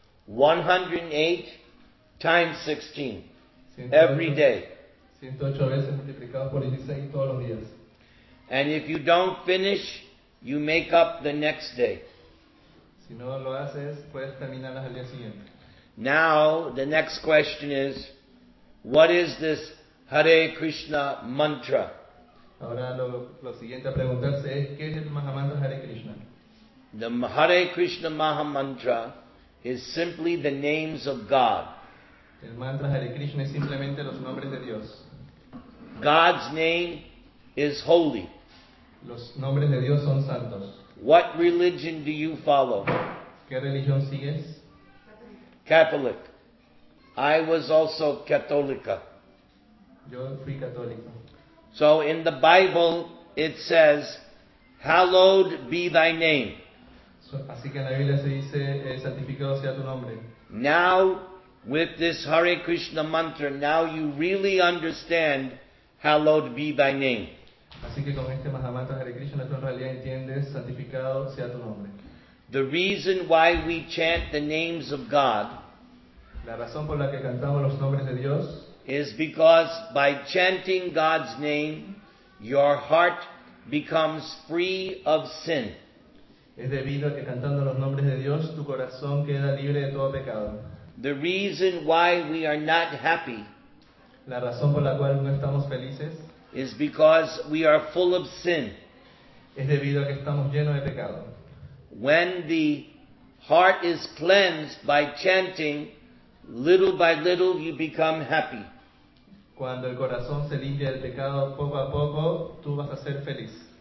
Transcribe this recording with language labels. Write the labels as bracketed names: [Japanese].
[English] 108 times 16. Every day. [Spanish] 108 veces multiplicado por 16 todos los días. [English] And if you don't finish you make up the next day. [Spanish] Si no lo haces, puedes terminarlas al día siguiente. [English] Now, the next question is, what is this Hare Krishna mantra? [Spanish] Ahora lo siguiente a preguntarse es, ¿qué es el Mahamantra Hare Krishna? [English] The Hare Krishna Mahamantra is simply the names of God. [Spanish] El mantra Hare Krishna es simplemente los nombres de Dios. [English] God's name is holy. [Spanish] Los nombres de Dios son santos. [English] What religion do you follow? [Spanish] ¿Qué religión sigues? [English] Catholic. I was also Católica. [Spanish] Yo fui católico. [English] So in the Bible it says, "Hallowed be thy name." [Spanish] Así que en la Biblia se dice, santificado sea tu nombre. [English] Now, with this Hare Krishna mantra, now you really understand, "Hallowed be thy name." [Spanish] Así que con este mantra Hare Krishna, tú en realidad entiendes, santificado sea tu nombre. [English] The reason why we chant the names of God, [Spanish] la razón por la que cantamos los nombres de Dios, [English] is because by chanting God's name, your heart becomes free of sin. [Spanish] Es debido a que cantando los nombres de Dios, tu corazón queda libre de todo pecado. [English] The reason why we are not happy, [Spanish] la razón por la cual no estamos felices, [English] is because we are full of sin. [Spanish] Es debido a que estamos llenos de pecado. [English] When the heart is cleansed by chanting, little by little you become happy. [Spanish] Cuando el corazón se limpia del pecado, poco a poco, tú vas a ser feliz.